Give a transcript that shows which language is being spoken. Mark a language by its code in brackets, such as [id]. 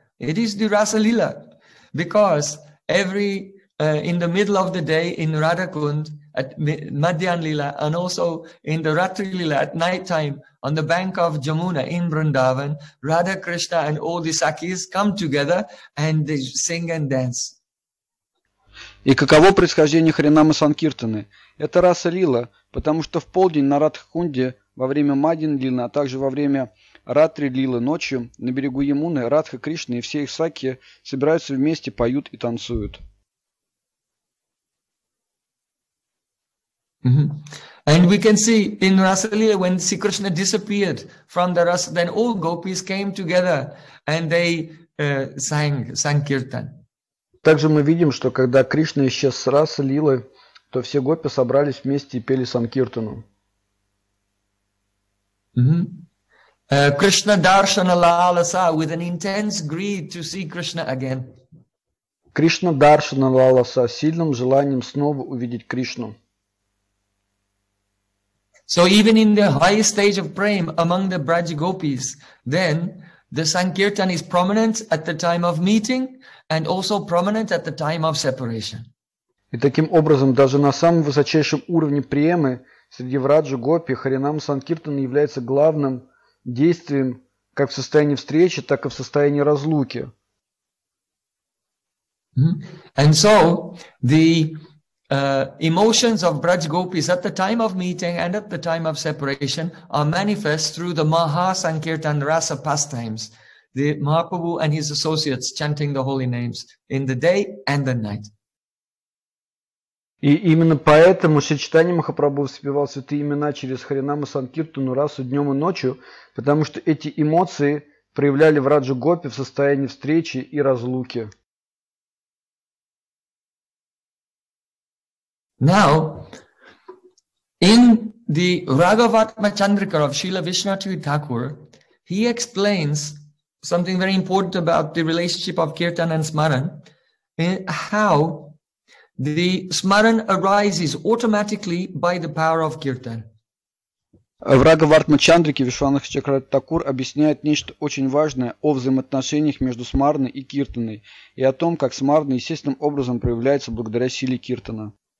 [en] It is the Rasa Lila, because in the middle of the day in Radha Kund at Madhyan Lila, and also in the Ratri Lila at night time on the bank of Jamuna in Vrindavan, Radha Krishna and all the Sakis come together and they sing and dance. [ru] И каково происхождение Харинама Санкиртаны? Это раса лила, потому что в полдень на Радхакунде, во время Мадин лилы, а также во время Ратри лилы ночью, на берегу Ямуны, Радха Кришна и все их саки собираются вместе, поют и танцуют. [en] And we can see in Rasalila, when Sri Krishna disappeared from the Rasa, then all gopis came together and they sang Sankirtan. [ru] Также мы видим, что когда Кришна исчез с расы лилы, то все гопи собрались вместе и пели Санкиртану. [sa] Кришна даршана лала са [en] with an intense greed to see Krishna again. [sa] Кришна даршана лала [ru] са сильным желанием снова увидеть Кришну. [en] So even in the highest stage of prem among the Braj gopis, then the Sankirtan is prominent at the time of meeting and also prominent at the time of separation. [ru] И таким образом, даже на самом высочайшем уровне премы среди враджа гопи Харинам Санкиртан является главным действием как в состоянии встречи, так и в состоянии разлуки. [en] And so the emotions of Braj gopis at the time of meeting and at the time of separation are manifest through the Maha Sankirtan Rasa pastimes, the Mahaprabhu and his associates chanting the holy names in the day and the night. [ru] И именно поэтому Шри Чайтанья Махапрабху воспевал святые имена через Харинама Санкиртану Расу днем и ночью, потому что эти эмоции проявляли в Раджа Гопи в состоянии встречи и разлуки. [en] Now, in the Raghavatma Chandrika of Srila Vishnu Thakur, he explains something very important about the relationship of Kirtan and Smaran, how the Smaran arises automatically by the power of Kirtan. [ru] В Раговартма Чандрике Вишванах Чакрат Такур объясняет нечто очень важное о взаимоотношениях между Смараной и Киртаной и о том, как Смарана естественным образом проявляется благодаря силе Киртана.